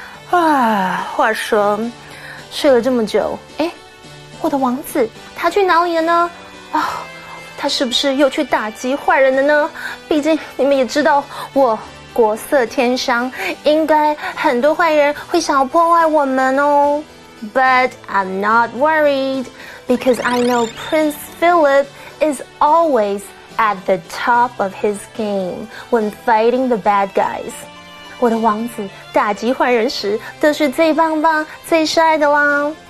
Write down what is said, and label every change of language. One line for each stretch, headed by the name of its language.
Chinese: 啊，话说，睡了这么久，我的王子他去哪里了呢？他是不是又去打击坏人了呢？毕竟你们也知道我。国色天香，应该很多坏人会想要破坏我们哦。
English: But I'm not worried, because I know Prince Philip is always at the top of his game when fighting the bad guys.
Chinese: 我的王子打击坏人时都是最棒棒、最帅的啦。